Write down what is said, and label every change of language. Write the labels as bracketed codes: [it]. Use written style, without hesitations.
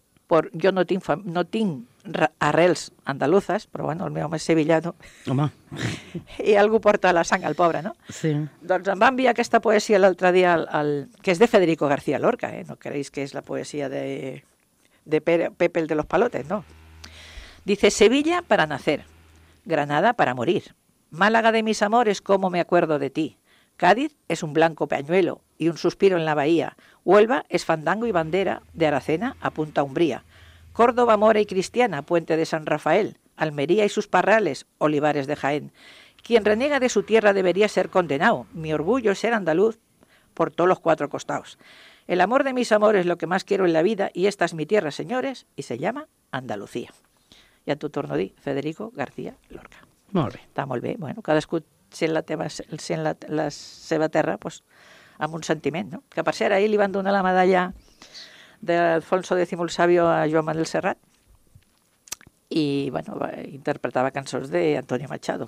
[ca] Jo no tinc, no tinc arrels andaluzes, però bueno, el meu home és sevillano. Home. I algú porta la sang al pobre, no? Sí. Doncs em va enviar aquesta poesia l'altre dia, que és de Federico García Lorca, eh? No creus que és la poesia de Pepe el de los Palotes, no. [es] Dice, Sevilla para nacer, Granada para morir, Málaga de mis amores, cómo me acuerdo de ti, Cádiz es un blanco pañuelo y un suspiro en la bahía, Huelva es fandango y bandera de Aracena a Punta Umbría, Córdoba mora y cristiana, puente de San Rafael, Almería y sus parrales, olivares de Jaén. Quien reniega de su tierra debería ser condenado. Mi orgullo es ser andaluz por todos los cuatro costados. El amor de mis amores es lo que más quiero en la vida y esta es mi tierra, señores, y se llama Andalucía. Y a tu torno di, Federico García Lorca. [ca] Molt bé. Está molt bé. Bueno, cadascú sent la seva terra pues, amb un sentiment, no? Que per cert, ahir li van donar la medalla d'Alfonso X el Sàvio a Joan Manuel Serrat i, bueno, interpretava cançons d'Antonio Machado.